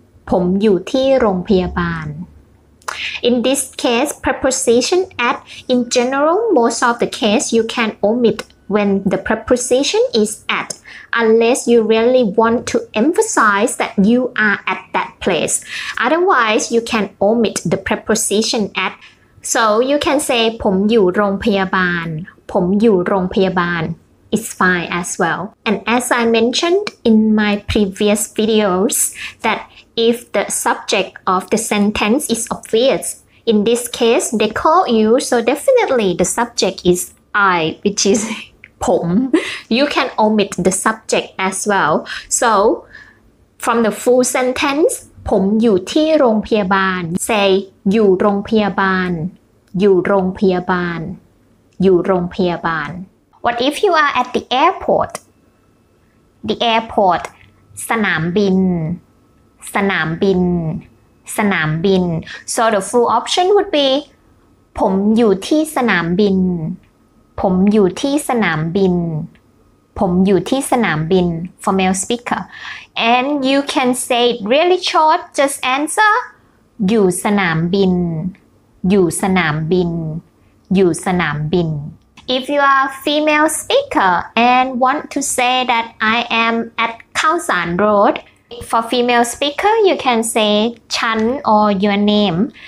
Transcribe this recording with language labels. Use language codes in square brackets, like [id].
[th] ผมอยู่ที่โรงพยาบาล [en] In this case, preposition at in general, most of the case you can omit when the preposition is at unless you really want to emphasize that you are at that place. Otherwise, you can omit the preposition at. So you can say [th] ผมอยู่โรงพยาบาลผมอยู่โรงพยาบาล [en] It's fine as well. And as I mentioned in my previous videos, that if the subject of the sentence is obvious, in this case, they call you, so definitely the subject is I, which is ผม. You can omit the subject as well. So from the full sentence, [th] ผมอยู่ที่โรงพยาบาล. Say, อยู่โรงพยาบาล. อยู่โรงพยาบาล. อยู่โรงพยาบาล [en] What if you are at the airport? [th] The airport, สนามบิน, สนามบิน, สนามบิน. [en] So the full option would be, [th] ผมอยู่ที่สนามบิน, ผมอยู่ที่สนามบิน, ผมอยู่ที่สนามบิน, [en] for male speaker. And you can say it really short, just answer, [th] อยู่สนามบิน, อยู่สนามบิน, อยู่สนามบิน. [en] If you are female speaker and want to say that I am at Khao San Road, for female speaker, you can say Chan or your name.